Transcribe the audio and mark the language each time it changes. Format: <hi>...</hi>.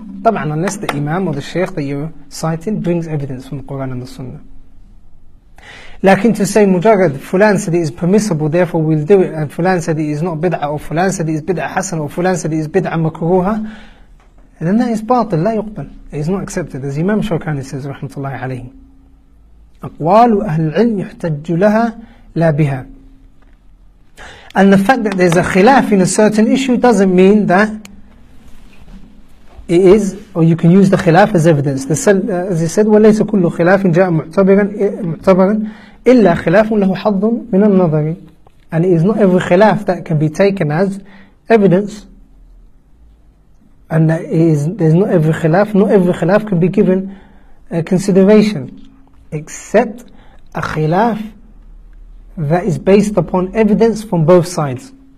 <ar>طبعا</ar> <en>unless the imam or the sheikh that you're citing brings evidence from the Quran and the Sunnah.</en> <ar>لكن</ar> <en>to say</en> <ar>مجرد فلان</ar> <en>said it is permissible therefore we'll do it, and فلان said it is not بدعة, or فلان said it is</en> <ar>بدعة حسن,</ar> <en>or فلان said it is</en> <ar>بدعة مكروهة,</ar> <en>then that is</en> <ar>باطل, لا يقبل,</ar> <en>it is not accepted. As Imam Shawkani says</en> <ar>رحمة الله عليه, أقوال أهل العلم يحتج لها لا بها.</ar> <en>And the fact that there's a khilaf in a certain issue doesn't mean that it is, or you can use the khilaf as evidence. As he said,</en> <ar>وَلَيْسَ كُلُّ خِلَافٍ جَاءَ مُعْتَبَرًا إِلَّا خِلَافٌ لَهُ حَظٌ مِنَ النَّظَرِ.</ar> <en>And it is not every khilaf that can be taken as evidence, and there's not every khilaf, not every khilaf can be given consideration, except a khilaf that is based upon evidence from both sides.</en>